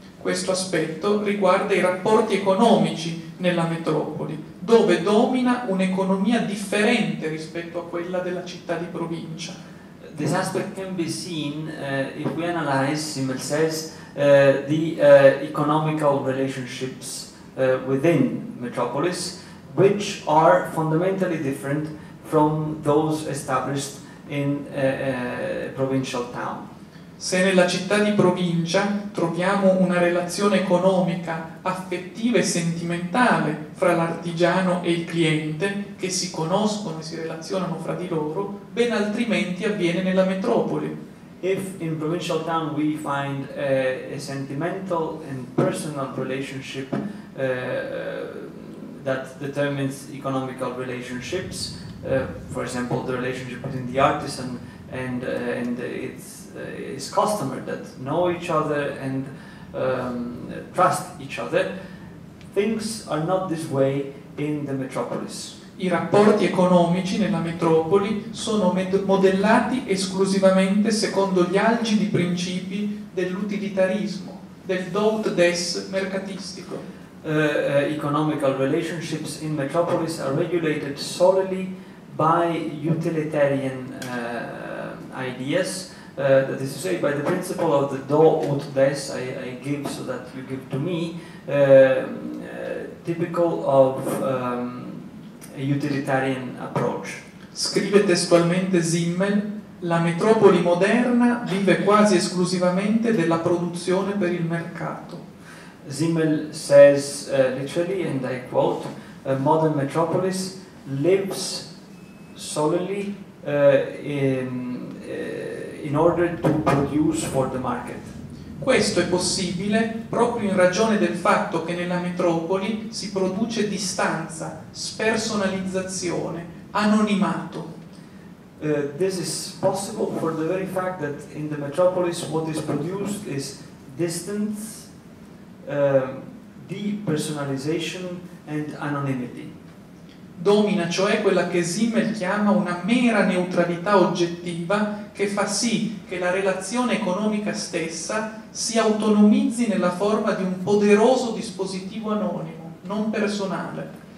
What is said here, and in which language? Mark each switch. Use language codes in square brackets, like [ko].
[it] Questo aspetto riguarda i rapporti economici nella metropoli, dove domina un'economia differente rispetto a quella della città di provincia. [en] This aspect can be seen if we analyze, Simmel says, the economical relationships within metropolis, which are fundamentally different from those established in a provincial town. [it] Se nella città di provincia troviamo una relazione economica, affettiva e sentimentale fra l'artigiano e il cliente, che si conoscono e si relazionano fra di loro, ben altrimenti avviene nella metropoli. [en] If in provincial town we find a sentimental and personal relationship that determines economical relationships, for example, the relationship between the artisan and its customer that know each other and trust each other, things are not this way in the metropolis. [it] I rapporti economici nella metropoli sono modellati esclusivamente secondo gli algidi principi dell'utilitarismo, del dout des mercatistico. [en] Economical relationships in metropolis are regulated solely by utilitarian ideas, that is to say, by the principle of the do ut des, I give so that you give to me, typical of a utilitarian approach. [it] Scrive testualmente Simmel, la metropoli moderna vive quasi esclusivamente della produzione per il mercato. [en] Simmel says literally, and I quote, a modern metropolis lives solely in order to produce for the market. [it] Questo è possibile proprio in ragione del fatto che nella metropoli si produce distanza, spersonalizzazione, anonimato. [en] This is possible for the very fact that in the metropolis what is produced is distance, depersonalization and anonymity. [it] Domina cioè quella che Simmel chiama una mera neutralità oggettiva che fa sì che la relazione economica stessa si autonomizzi nella forma di un poderoso dispositivo anonimo, non personale.